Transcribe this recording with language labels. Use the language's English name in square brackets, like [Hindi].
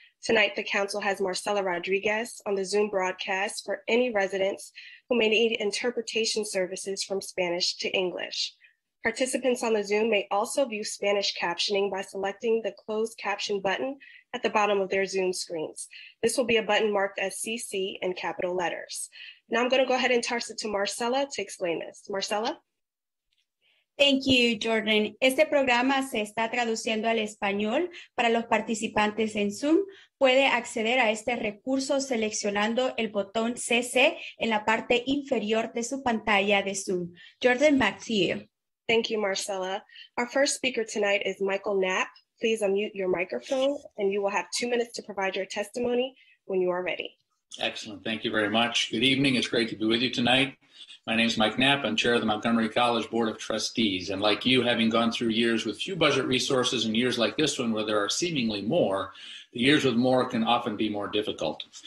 [English] Tonight, the council has Marcela Rodriguez on the Zoom broadcast for any residents who may need interpretation services from Spanish to English. Participants on the Zoom may also view Spanish captioning by selecting the closed caption button at the bottom of their Zoom screens. This will be a button marked as CC in capital letters. Now I'm going to go ahead and toss it to Marcela to explain this. Marcela? Thank you, Jordan. [Spanish] Este programa se está traduciendo al español para los participantes en Zoom. Puede acceder a este recurso seleccionando el botón CC en la parte inferior de su pantalla de Zoom. [English] Jordan, back to you. Thank you, Marcela. Our first speaker tonight is Michael Knapp. Please unmute your microphone and you will have 2 minutes to provide your testimony when you are ready. Excellent. Thank you very much. Good evening. It's great to be with you tonight. My name is Mike Knapp. I'm chair of the Montgomery College Board of Trustees. And like you, having gone through years with few budget resources and years like this one where there are seemingly more, the years with more can often be more difficult.